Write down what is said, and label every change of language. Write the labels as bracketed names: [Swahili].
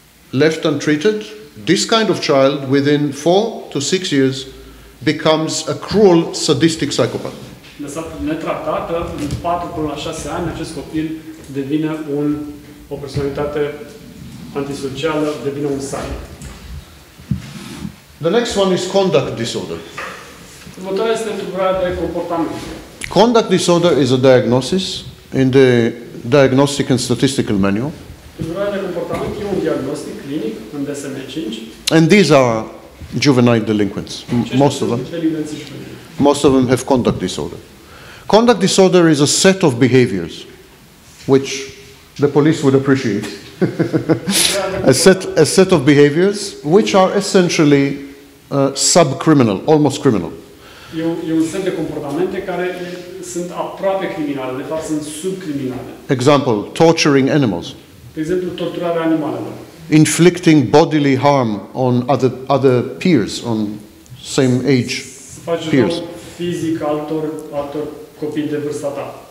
[English] Left untreated, this kind of child within 4 to 6 years becomes a cruel, sadistic psychopath. [Romanian] Lăsat netratată, în 4 până la 6 ani, acest copil devine o personalitate antisocială, devine un sadist. [English] The next one is conduct disorder. [Romanian] Următoarea este tulburarea de comportament. [English] Conduct disorder is a diagnosis in the diagnostic and statistical manual. [Romanian] Tulburarea de comportament e un diagnostic clinic în DSM-5. [English] And these are juvenile delinquents, most of them. Most of them have conduct disorder. Conduct disorder is a set of behaviors which the police would appreciate. a set of behaviors which are essentially sub-criminal, almost criminal. [Romanian] E un set de comportamente care sunt aproape criminale, de fapt sunt subcriminale. [English] Example, torturing animals. [Romanian] De exemplu, torturarea animalelor. [English] Inflicting bodily harm on other peers, on same age peers. [Romanian] Să faci rău fizic altor copii de vârsta ta.